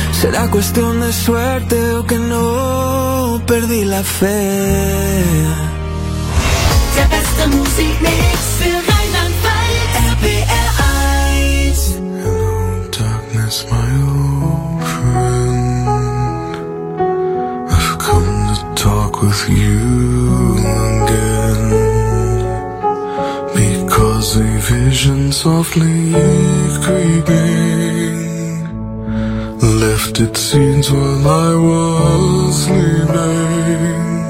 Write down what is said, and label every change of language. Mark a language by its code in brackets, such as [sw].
[es] ¿Será cuestión de suerte o que no perdí la fe? [de] Der beste Musikmix für Rheinland-Pfalz, RPR1. [en] Hello darkness, my old friend, I've come to talk with you again. Because a vision softly creeping left its scenes while I was sleeping,